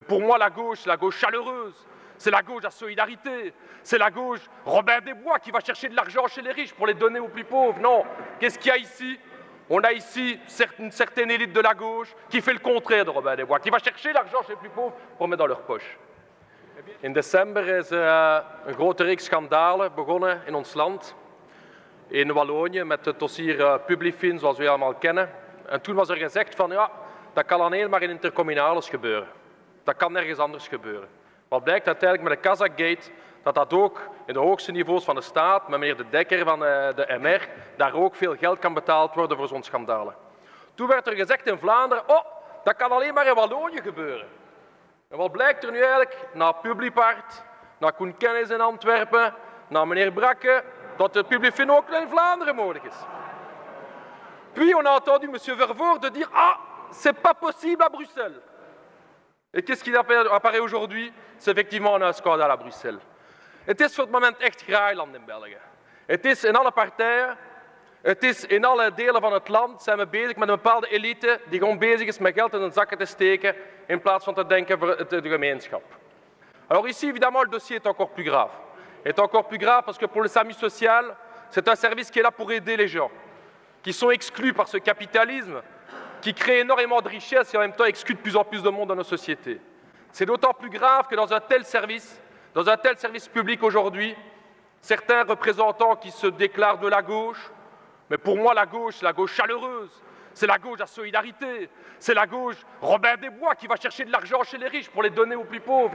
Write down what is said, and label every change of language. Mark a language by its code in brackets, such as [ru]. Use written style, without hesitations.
[fr] pour moi, la gauche chaleureuse, c'est la gauche à solidarité, c'est la gauche Robin des Bois qui va chercher de l'argent chez les riches pour les donner aux plus pauvres. Non, qu'est-ce qu'il y a ici? On a ici une certaine élite de la gauche qui fait le contraire de Robin des Bois, qui va chercher l'argent chez les plus pauvres pour mettre dans leur poche. [nl] In december is een grote reeks schandalen begonnen in ons land, in Wallonië, met het dossier Publifin, zoals we allemaal kennen. En toen was er gezegd van, ja, dat kan alleen maar in intercommunales gebeuren. Dat kan nergens anders gebeuren. Wat blijkt uiteindelijk met de Kazakhgate, dat dat ook in de hoogste niveaus van de staat, met meneer De Dekker van de MR, daar ook veel geld kan betaald worden voor zo'n schandalen. Toen werd er gezegd in Vlaanderen, oh, dat kan alleen maar in Wallonië gebeuren. En wat blijkt er nu eigenlijk, na Publipart, na Koen Kennis in Antwerpen, na meneer Brakke, dat de Publifin ook in Vlaanderen mogelijk is. [fr] Puis on a entendu monsieur Vervoort de dire, ah, c'est pas possible à Bruxelles. Et qu'est-ce qui apparaît aujourd'hui? C'est effectivement un scandale à Bruxelles. [nl] Het is voor het moment echt graailand in België. Het is in alle partijen, het is in alle delen van het land, zijn we bezig met een bepaalde elite die gewoon bezig is met geld in hun zakken te steken, in plaats van te denken voor de gemeenschap. [fr] Alors ici, évidemment, le dossier est encore plus grave. Est encore plus grave parce que pour le SAMU social, c'est un service qui est là pour aider les gens, qui sont exclus par ce capitalisme, qui crée énormément de richesses et en même temps exclut de plus en plus de monde dans nos sociétés. C'est d'autant plus grave que dans un tel service public aujourd'hui, certains représentants qui se déclarent de la gauche, mais pour moi la gauche, c'est la gauche chaleureuse, c'est la gauche à solidarité, c'est la gauche Robin des Bois qui va chercher de l'argent chez les riches pour les donner aux plus pauvres.